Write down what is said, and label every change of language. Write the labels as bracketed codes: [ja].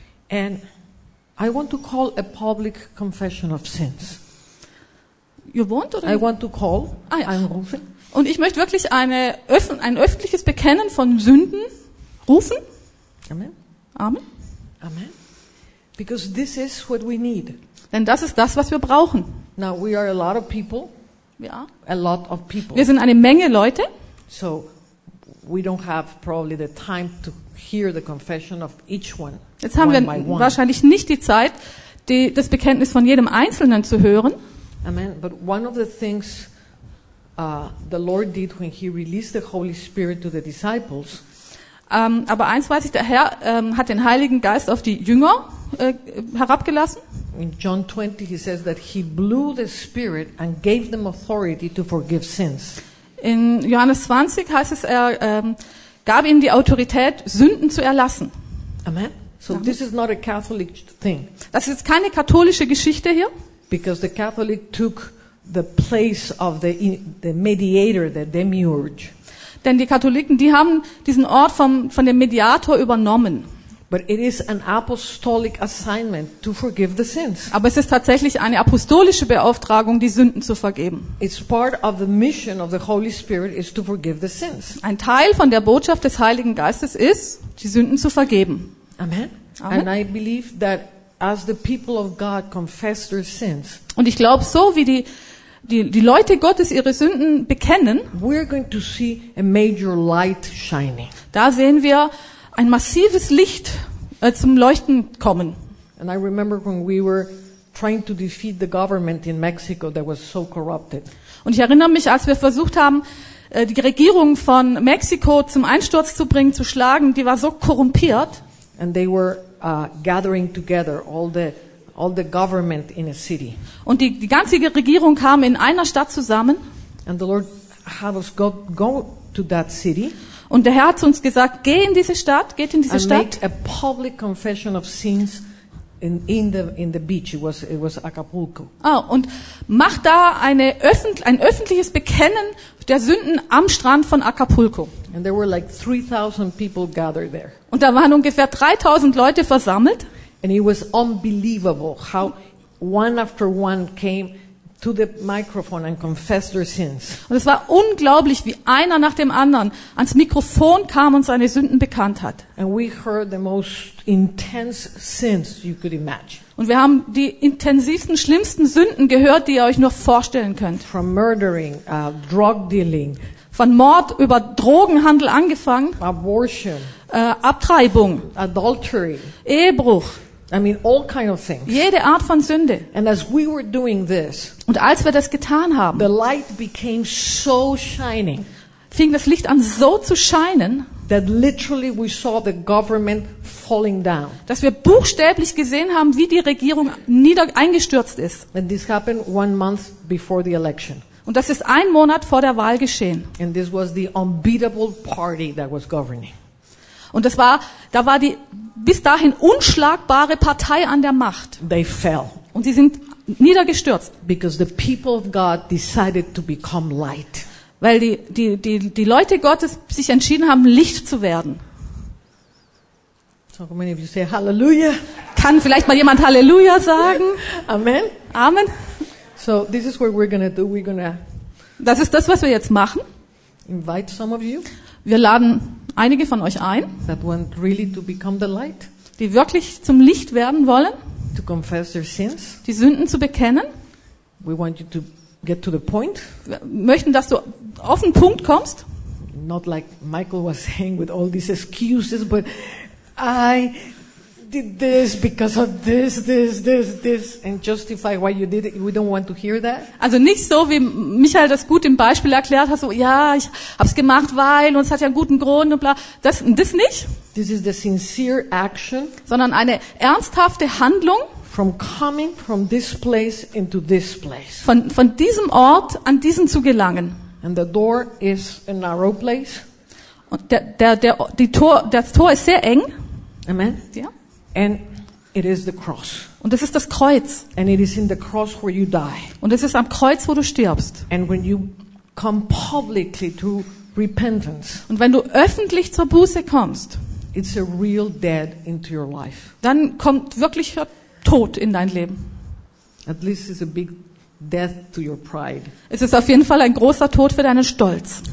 [en] And I want to call a public confession of sins. You want or I want to call. [de] Rufen. Und ich möchte wirklich ein öffentliches Bekennen von Sünden rufen. Amen. Amen. [en] Amen. Because this is what we need. [de] Denn das ist das, was wir brauchen. [en] Now we are a lot of people. [de] Ja. [en] A lot of people. [de] Wir sind eine Menge Leute. [en] So we don't have probably the time to hear the confession of each one. [de] Jetzt haben wir wahrscheinlich nicht die Zeit, das Bekenntnis von jedem Einzelnen zu hören. Amen. [en] But one of the things the Lord did when he released the Holy Spirit to the disciples. [de] Aber eins weiß ich, der Herr hat den Heiligen Geist auf die Jünger herabgelassen. [en] In John 20 he says that he blew the Spirit and gave them authority to forgive sins. [de] In Johannes 20 heißt es, er gab ihnen die Autorität, Sünden zu erlassen. [en] Amen. So ja. This is not a Catholic thing. [de] Das ist keine katholische Geschichte hier. [en] Because the Catholic took the place of the mediator, the demiurge. [de] Denn die Katholiken, die haben diesen Ort von dem Mediator übernommen. [en] But it is an apostolic assignment to forgive the sins. [de] Aber es ist tatsächlich eine apostolische Beauftragung, die Sünden zu vergeben. [en] It's part of the mission of the Holy Spirit is to forgive the sins. [de] Ein Teil von der Botschaft des Heiligen Geistes ist, die Sünden zu vergeben. Amen. Amen. [en] And I believe that as the people of God confess their sins. [de] Und ich glaube, so wie die Leute Gottes ihre Sünden bekennen, [en] we're going to see a major light shining. [de] Da sehen wir ein massives Licht zum Leuchten kommen. [en] And I remember when we were trying to defeat the government in Mexico that was so corrupted. [de] Und ich erinnere mich, als wir versucht haben, die Regierung von Mexiko zum Einsturz zu bringen, zu schlagen, die war so korrumpiert. [en] And they were gathering together all the government in a city. [de] Und die ganze Regierung kam in einer Stadt zusammen. [en] And the Lord had us go to that city. [de] Und der Herr hat zu uns gesagt, geh in diese Stadt, geht in diese Stadt. [en] Make a public confession of sins in the beach. It was Acapulco. [de] Oh, und mach da ein öffentliches Bekennen der Sünden am Strand von Acapulco. [en] And there were like 3000 people gathered there. [de] Und da waren ungefähr 3000 Leute versammelt. [en] And it was unbelievable how one after one came to the microphone and confessed their sins. [de] Und es war unglaublich, wie einer nach dem anderen ans Mikrofon kam und seine Sünden bekannt hat. [en] And we heard the most intense sins you could imagine. [de] Und wir haben die intensivsten, schlimmsten Sünden gehört, die ihr euch nur vorstellen könnt. [en] From murdering, drug dealing. [de] Von Mord über Drogenhandel angefangen. [en] Abortion. [de] Abtreibung. [en] Adultery. [de] Ehebruch. [en] I mean all kind of things. [de] Jede Art von Sünde. [en] And as we were doing this, [de] und als wir das getan haben, [en] the light became so shining. [de] Fing das Licht an so zu scheinen, [en] that literally we saw the government falling down. [de] Dass wir buchstäblich gesehen haben, wie die Regierung eingestürzt ist. [en] And this happened 1 month before the election. [de] Und das ist 1 Monat vor der Wahl geschehen. [en] And this was the unbeatable party that was governing. [de] Und da war die bis dahin unschlagbare Partei an der Macht. [en] They fell. [de] Und sie sind niedergestürzt. [en] Because the people of God decided to become light. [de] Weil die Leute Gottes sich entschieden haben, Licht zu werden. [en] So many of you say hallelujah. [de] Kann vielleicht mal jemand Halleluja sagen? Amen. Amen. [en] So this is what we're gonna do. We're gonna. [de] Das ist das, was wir jetzt machen. [en] Invite some of you. [de] Wir laden einige von euch ein, [en] that want really to become the light, [de] die wirklich zum Licht werden wollen, [en] to confess their sins, [de] die Sünden zu bekennen. [en] We want you to get to the point. [de] Wir möchten, dass du auf den Punkt kommst. [en] Not like Michael was saying with all these excuses, but I did this because of this and justify why you did it. We don't want to hear that. [de] Also nicht so wie Michael das gut im Beispiel erklärt hat, so ja, ich hab's gemacht, weil, und es hat ja einen guten Grund und bla. Das nicht. [en] This is the sincere action, [de] sondern eine ernsthafte Handlung, [en] from coming from this place into this place. [de] Von diesem Ort an diesen zu gelangen. [en] And the door is a narrow place. [de] Und das Tor ist sehr eng. Amen. Ja. [en] And it is the cross. [de] Und es ist das Kreuz. [en] And it is in the cross where you die. [de] Und es ist am Kreuz, wo du stirbst. [en] And when you come publicly to repentance. [de] Und wenn du öffentlich zur Buße kommst. [en] It's a real dead into your life. [de] Dann kommt wirklich Tod in dein Leben. [en] At least it's a big death to your pride. [de] Es ist auf jeden Fall ein großer Tod für deinen Stolz.